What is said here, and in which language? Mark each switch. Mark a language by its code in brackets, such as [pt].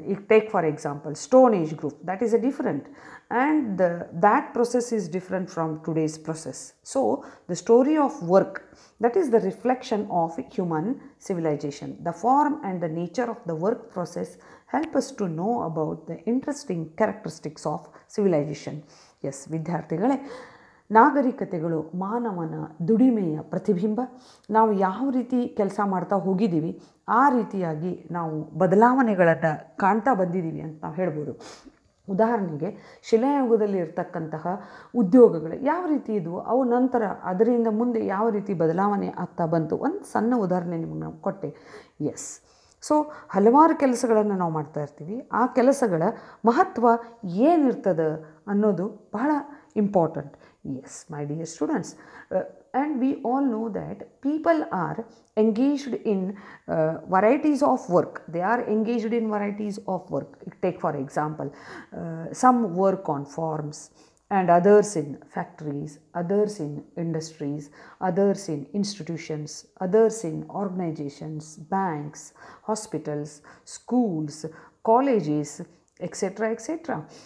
[en] Take for example Stone Age group, that is a different, and that process is different from today's process. So the story of work, that is the reflection of human civilization. The form and the nature of the work process help us to know about the interesting characteristics of civilization. [kn] Yes, vidyarthigale, ನಾಗರಿಕತೆಗಳು ಮಾನವನ ದುಡಿಮೆಯ ಪ್ರತಿಬಿಂಬ. ನಾವು ಯಾವ ರೀತಿ ಕೆಲಸ ಮಾಡ್ತಾ ಹೋಗಿದ್ದೀವಿ ಆ ರೀತಿಯಾಗಿ ನಾವು ಬದಲಾವಣೆಗಳನ್ನು ಕಾಣ್ತಾ ಬಂದಿದ್ದೀವಿ ಅಂತ ನಾವು ಹೇಳ್ಬೋದು. ಉದಾಹರಣೆಗೆ ಶಿಲಾಯುಗದಲ್ಲಿ ಇರತಕ್ಕಂತಹ ಉದ್ಯೋಗಗಳು ಯಾವ ರೀತಿ ಇದ್ವು, ಅವು ನಂತರ ಅದರಿಂದ ಮುಂದೆ ಯಾವ ರೀತಿ ಬದಲಾವಣೆ ಆಗ್ತಾ ಬಂತು, ಒಂದು ಸಣ್ಣ ಉದಾಹರಣೆ ನಿಮಗೆ ನಾವು ಕೊಟ್ಟೆ. ಎಸ್, ಸೊ ಹಲವಾರು ಕೆಲಸಗಳನ್ನು ನಾವು ಮಾಡ್ತಾ ಇರ್ತೀವಿ. ಆ ಕೆಲಸಗಳ ಮಹತ್ವ ಏನಿರ್ತದೆ ಅನ್ನೋದು ಬಹಳ important. [en] Yes, my dear students, and we all know that people are engaged in varieties of work. They are engaged in varieties of work. Take for example, some work on farms and others in factories, others in industries, others in institutions, others in organizations, banks, hospitals, schools, colleges, etc. etc.